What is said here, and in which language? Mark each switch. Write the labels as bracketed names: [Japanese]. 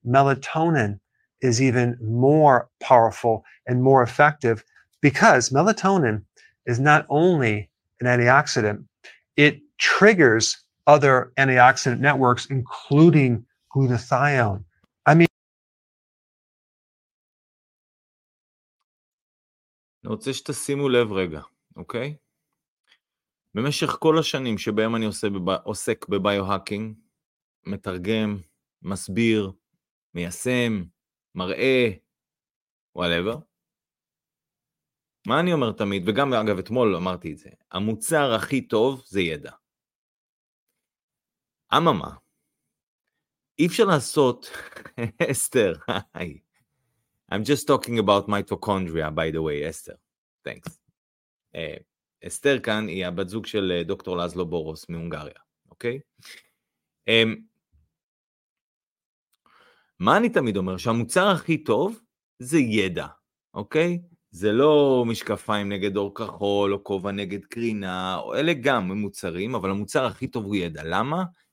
[English] Melatonin is even more powerful and more effective because melatonin is not only an antioxidant, it triggers other antioxidant networks, including glutathione. [Hebrew] אני רוצה שתשימו לב רגע, אוקיי? במשך כל השנים שבהם אני עוסק בביו-הקינג, מתרגם, מסביר, מיישם, מראה, whatever, מה אני אומר תמיד, וגם אגב אתמול אמרתי את זה, המוצר הכי טוב זה ידע. אממה, אי אפשר לעשות, אסתר, היי, [English] I'm just talking about mitochondria, by the way, אסתר. Thanks. [Hebrew] אסתר כאן היא הבת זוג של דוקטור לזלו בורוס מהונגריה, אוקיי? מה אני תמיד אומר? שהמוצר הכי טוב זה ידע, אוקיי? זה לא משקפיים נגד אור כחול או כובע נגד קרינה, או אלה גם מוצרים, אבל המוצר הכי טוב הוא ידע. למה?